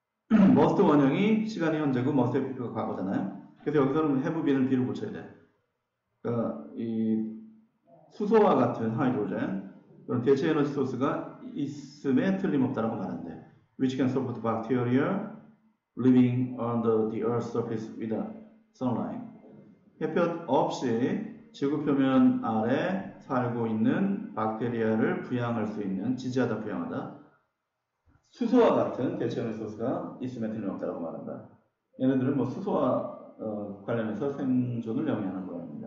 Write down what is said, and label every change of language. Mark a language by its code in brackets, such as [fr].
[ko] must 원형이 시간이 현재고 must의 표가 과거잖아요. 그래서 여기서는 [en] have been [ko] 을 뒤로 붙여야 돼. 그러니까 이 수소와 같은 하이드로젠 그런 대체 에너지 소스가 있음에 틀림없다라고 말한대. [en] Which can support bacteria living under the earth's surface without sunlight. [ko] 햇볕 없이 지구 표면 아래 살고 있는 박테리아를 부양할 수 있는 지지하다 부양하다. 수소와 같은 대체 에너지 소스가 있음에 틀림없다라고 말한다. 얘네들은 뭐 수소와 관련해서 생존을 영위하는 거예요.